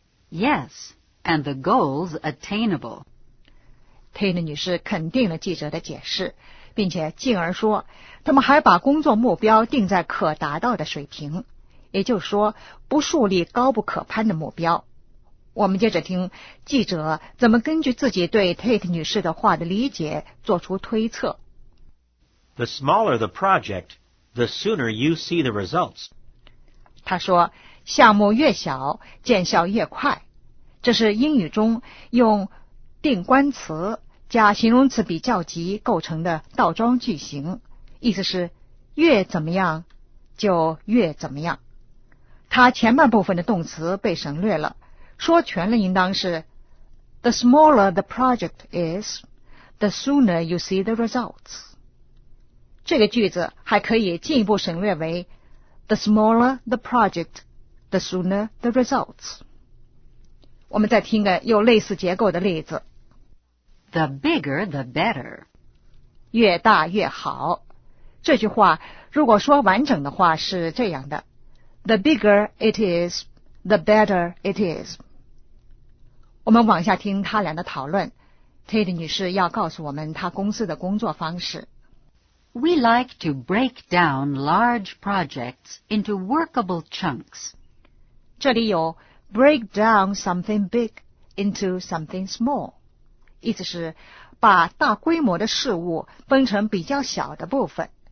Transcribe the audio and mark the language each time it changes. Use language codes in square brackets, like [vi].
[en] Yes, and the goals attainable. [zh] Tate 女士肯定了记者的解释，并且进而说，他们还把工作目标定在可达到的水平，也就是说，不树立高不可攀的目标。我们接着听记者怎么根据自己对 Tate 女士的话的理解做出推测。 [en] The smaller the project, the sooner you see the results. [zh] 她说项目越小，见效越快。这是英语中用定冠词加形容词比较级构成的倒装句型，意思是越怎么样就越怎么样。它前半部分的动词被省略了，说全了应当是 [en] The smaller the project is, the sooner you see the results. [zh] 这个句子还可以进一步省略为 [en] The smaller the project isThe sooner the results. [zh] 我们再听个有类似结构的例子。 [en] The bigger the better. [zh] 越大越好。这句话如果说完整的话是这样的。 [en] The bigger it is, the better it is. [zh] 我们往下听他俩的讨论。Tate 女士要告诉我们她公司的工作方式。 [en] We like to break down large projects into workable chunks. [zh] 这里有 [en] break down something big into something small, [zh] 意思是把大规模的事物分成比较小的部分。